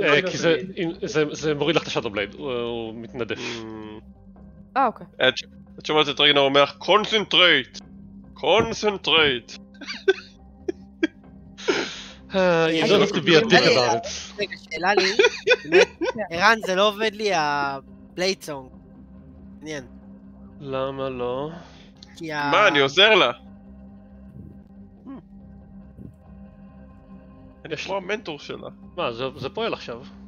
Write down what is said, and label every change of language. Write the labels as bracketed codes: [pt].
[he] כי זה מוריד לך את השאטו בלייד, הוא מתנדף. אה, אוקיי. את שומעת את רגנר אומר, קונסנטרייט! קונסנטרייט! [en] You don't have to be a dick about it. [he] רגע, שאלה לי, אירן, זה לא עובד לי, הבלייד סונג. עניין. למה לא? מה, אני עוזר לה? אני כמו המנטור שלה. מה, זה פועל עכשיו.